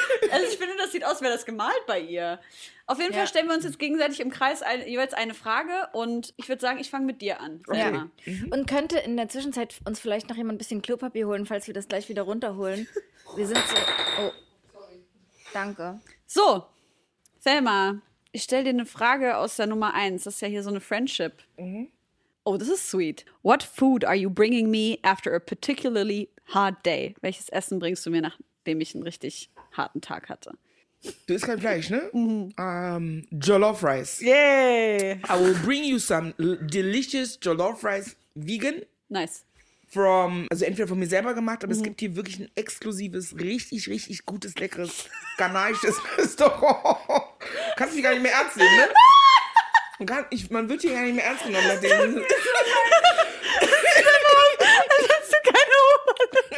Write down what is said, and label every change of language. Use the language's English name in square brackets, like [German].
[German] Also ich finde, das sieht aus, wäre das gemalt bei ihr. Auf jeden Fall stellen wir uns jetzt gegenseitig im Kreis jeweils eine Frage und ich würde sagen, ich fange mit dir an. Okay. Ja. Mhm. Und könnte in der Zwischenzeit uns vielleicht noch jemand ein bisschen Klopapier holen, falls wir das gleich wieder runterholen? Wir sind so... Oh. Sorry. Danke. So, Selma, ich stelle dir eine Frage aus der Nummer 1. Das ist ja hier so eine Friendship. Mhm. Oh, das ist sweet. [English] What food are you bringing me after a particularly hard day? [German] Welches Essen bringst du mir, nachdem ich einen richtig harten Tag hatte? Du isst kein Fleisch, ne? Jollof Rice. Yay! [English] I will bring you some delicious Jollof Rice, vegan. Nice. [German] From, also entweder von mir selber gemacht, aber es gibt hier wirklich ein exklusives, richtig, richtig gutes, leckeres, ghanaisches Restaurant. Kannst du dich gar nicht mehr ernst nehmen, ne? Man wird hier gar nicht mehr ernst genommen. Nachdem. Das ist so leid. Das hast du keine Ohren.